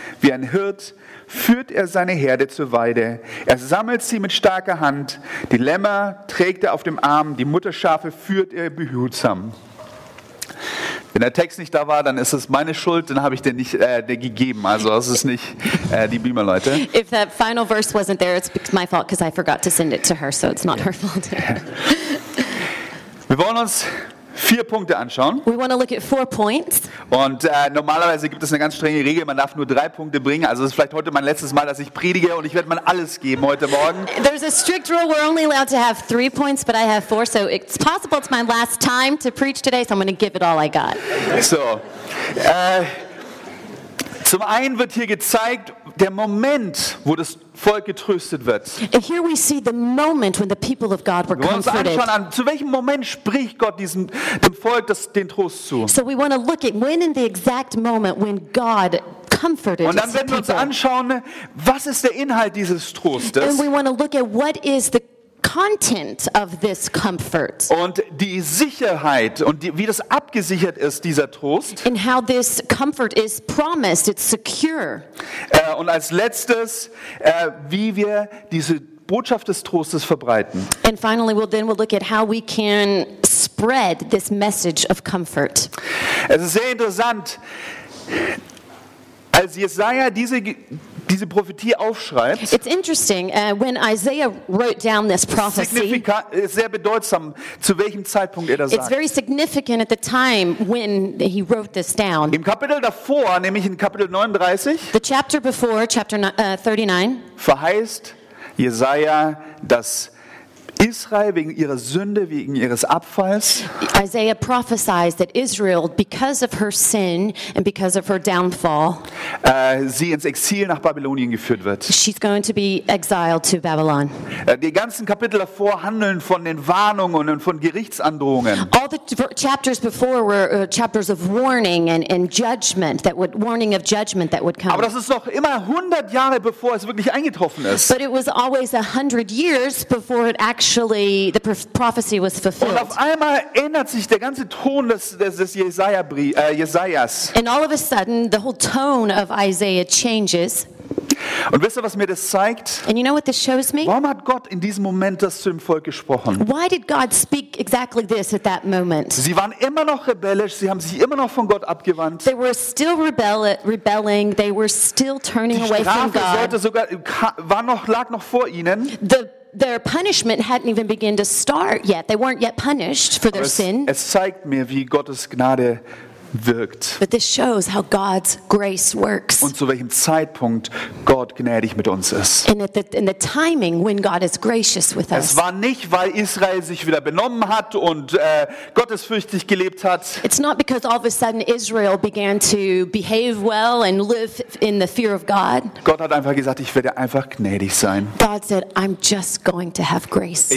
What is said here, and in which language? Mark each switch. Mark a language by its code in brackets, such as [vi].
[de] Wie ein Hirt führt er seine Herde zur Weide. Er sammelt sie mit starker Hand. Die Lämmer trägt er auf dem Arm. Die Mutterschafe führt er behutsam. Wenn der Text nicht da war, dann ist es meine Schuld, dann habe ich den nicht den gegeben. Also es ist nicht die Beamer, Leute. [en] If that final verse wasn't there, it's my fault, because I forgot to send it to her, so it's not her fault. [de] Wir wollen uns 4 Punkte anschauen. [en] We want to look at 4 points. [de] Und normalerweise gibt es eine ganz strenge Regel, man darf nur 3 Punkte bringen. Also es ist vielleicht heute mein letztes Mal, dass ich predige, und ich werde mein alles geben heute Morgen. [en] There's a strict rule, we're only allowed to have 3 points, but I have 4, so it's possible it's my last time to preach today, so I'm going to give it all I got. [de] So, zum einen wird hier gezeigt, der Moment, wo das Volk getröstet wird. [en] Here we see the moment when the people of God were comforted. [de] Wir wollen uns anschauen, zu welchem Moment spricht Gott dem Volk den Trost zu. [en] So we want to look at when in the exact moment when God comforted. [de] Und dann werden wir uns anschauen, was ist der Inhalt dieses Trostes. [en] And we want to look at what is the content of this comfort. [de] Und die Sicherheit und wie das abgesichert ist, dieser Trost. [en] And how this comfort is promised, it's secure. [de] Und als letztes, wie wir diese Botschaft des Trostes verbreiten. [en] And finally, we'll look at how we can spread this message of comfort. [de] Es ist sehr interessant, als Jesaja diese Prophetie aufschreibt. [en] It's interesting when Isaiah wrote down this prophecy. [de] Sehr bedeutsam, zu welchem Zeitpunkt er das sagt. [en] It's very significant at the time when he wrote this down. [de] Im Kapitel davor, nämlich in Kapitel 39. [en] The chapter before, chapter 39. [de] Verheißt Jesaja, dass Israel wegen ihrer Sünde, wegen ihres Abfalls. [en] Isaiah prophesied that Israel, because of her sin and because of her downfall, [de] sie ins Exil nach Babylonien geführt wird. [en] She's going to be exiled to Babylon. [de] Die ganzen Kapitel davor handeln von den Warnungen und von Gerichtsandrohungen. [en] All the chapters before were chapters of warning and judgment that would warning of judgment that would come. [de] Aber das ist noch immer 100 Jahre bevor es wirklich eingetroffen ist. [en] But it was always 100 years before it actually the prophecy was fulfilled. [de] Und auf einmal ändert sich der ganze Ton des Jesajas. [en] And all of a sudden the whole tone of Isaiah changes. [de] Und wisst ihr, was mir das zeigt? [en] And you know what this shows me? [de] Warum hat Gott in diesem Moment das zu dem Volk gesprochen? [en] Why did God speak exactly this at that moment? [de] Sie waren immer noch rebellisch, sie haben sich immer noch von Gott abgewandt. [en] They were still rebelling, they were still turning away from God. [de] Die Strafe sogar lag noch vor ihnen. [en] Their punishment hadn't even begun to start yet. They weren't yet punished for their sin. [de] Es zeigt mir, wie Gottes Gnade wirkt. [en] But this shows how God's grace works. [de] Und zu welchem Zeitpunkt Gott gnädig mit uns ist. [en] And in the timing when God is gracious with us. [de] Es war nicht, weil Israel sich wieder benommen hat und gottesfürchtig gelebt hat. [en] It's not because all of a sudden Israel began to behave well and live in the fear of God. [de] Gott hat einfach gesagt, ich werde einfach gnädig sein. [en] God said, I'm just going to have grace.